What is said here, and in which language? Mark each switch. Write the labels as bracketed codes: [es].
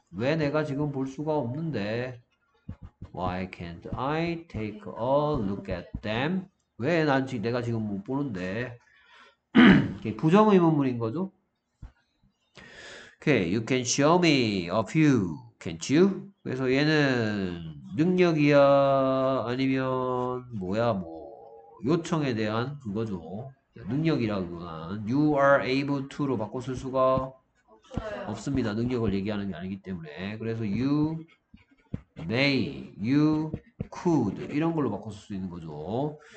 [ko] 왜 내가 지금 볼 수가 없는데? [en] Why can't I take a look at them? [ko] 왜난 지금 내가 지금 못 보는데? 부정의문문인 거죠. [en] Okay, you can show me a few, can't you? [ko] 그래서 얘는 능력이야, 아니면 뭐야, 뭐 요청에 대한 그거죠. 능력이라기보다는 [en] you are able to [ko] 로 바꿔 쓸 수가 없습니다. 능력을 얘기하는 게 아니기 때문에. 그래서 [en] you may, you could [ko] 이런 걸로 바꿔 쓸수 있는 거죠.